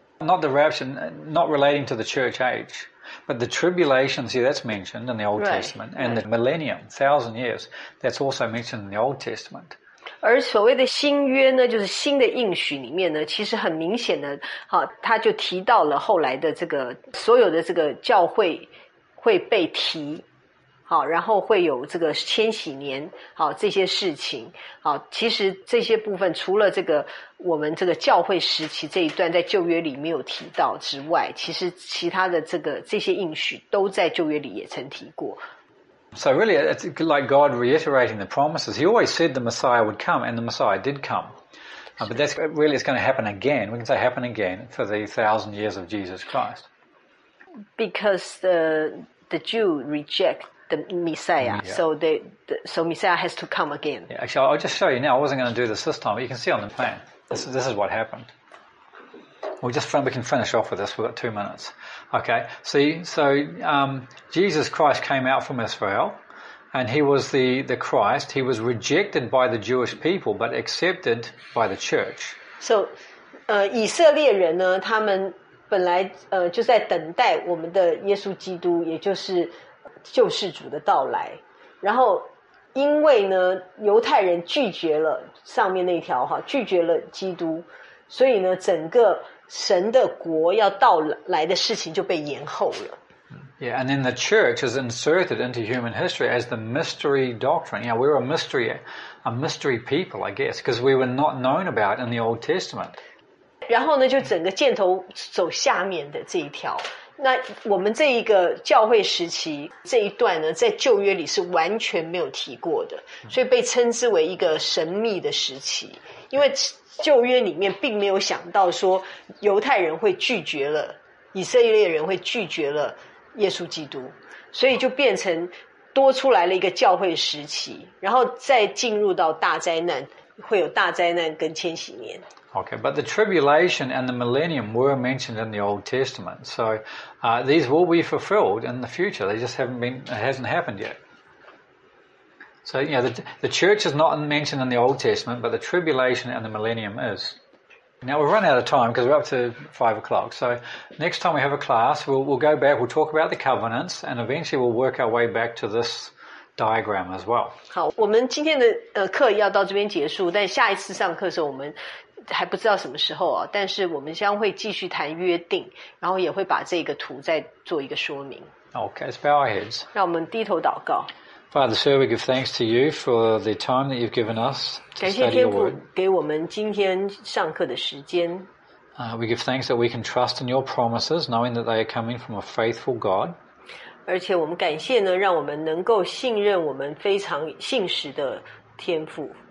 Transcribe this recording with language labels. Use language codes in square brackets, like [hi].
[en] Not the rapture, not relating to the church age, but the tribulation, see, that's mentioned in the Old Testament, and the millennium, 1,000 years, that's also mentioned in the Old Testament. [zh] 而所谓的新约呢，就是新的应许里面呢，其实很明显的，好，他就提到了后来的这个，所有的这个教会会被提，好，然后会有这个千禧年，好，这些事情，好，其实这些部分除了这个我们这个教会时期这一段在旧约里没有提到之外，其实其他的这些应许都在旧约里也曾提过。 [en] So really, it's like God reiterating the promises. He always said the Messiah would come, and the Messiah did come. But that's really it's going to happen again. We can say happen again for the 1,000 years of Jesus Christ. Because the Jew reject. The Messiah, yeah. So Messiah has to come again. Yeah, actually, I'll just show you now. I wasn't going to do this time, but you can see on the plan. This is what happened. We can finish off with this. We've got 2 minutes. Okay, see, so Jesus Christ came out from Israel, and he was the Christ. He was rejected by the Jewish people, but accepted by the church. [zh] So, 以色列人呢，他们本来就在等待我们的耶稣基督，也就是救世主的到来，然后因为呢，犹太人拒绝了上面那条哈，拒绝了基督，所以呢，整个神的国要到来的事情就被延后了。 [en] Yeah, and then the church is inserted into human history as the mystery doctrine. Yeah, we're a mystery people, I guess, because we were not known about in the Old Testament. [zh] 然后呢，就整个箭头走下面的这一条。那我们这一个教会时期这一段呢，在旧约里是完全没有提过的，所以被称之为一个神秘的时期，因为旧约里面并没有想到说犹太人会拒绝了，以色列人会拒绝了耶稣基督，所以就变成多出来了一个教会时期，然后再进入到大灾难，会有大灾难跟千禧年。 [en] Okay, but the tribulation and the millennium were mentioned in the Old Testament. So these will be fulfilled in the future. They just haven't been, it hasn't happened yet. So, you know, the church is not mentioned in the Old Testament, but the tribulation and the millennium is. Now, we've run out of time because we're up to 5 o'clock. So next time we have a class, we'll go back, we'll talk about the covenants, and eventually we'll work our way back to this diagram as well. [zh] 好，我们今天的课要到这边结束，但下一次上课的时候我们还不知道什么时候啊，但是我们将会继续谈约定，然后也会把这个图再做一个说明。 [en] Okay, let's bow our heads. [zh] 让我们低头祷告。 [en] Father, sir, we give thanks to you for the time that you've given us to study your word. [zh] 感谢天父给我们今天上课的时间。 [en] We give thanks that we can trust in your promises, knowing that they are coming from a faithful God. [zh] 而且我们感谢呢，让我们能够信任我们非常信实的天父。